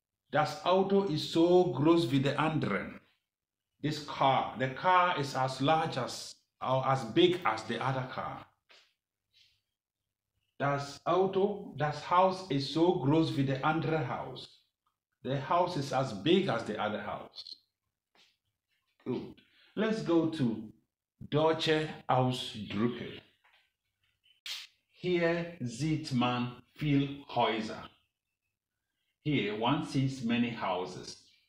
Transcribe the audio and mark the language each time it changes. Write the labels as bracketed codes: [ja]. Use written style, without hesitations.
[de] Das Auto ist so groß wie der andere. [en] This car, the car is as large as, or as big as the other car. [de] Das Auto, das Haus ist so groß wie der andere Haus. [en] The house is as big as the other house. Good. Let's go to Deutsche Ausdrücke. [de] Hier sieht man viel Häuser. Here one sees many houses.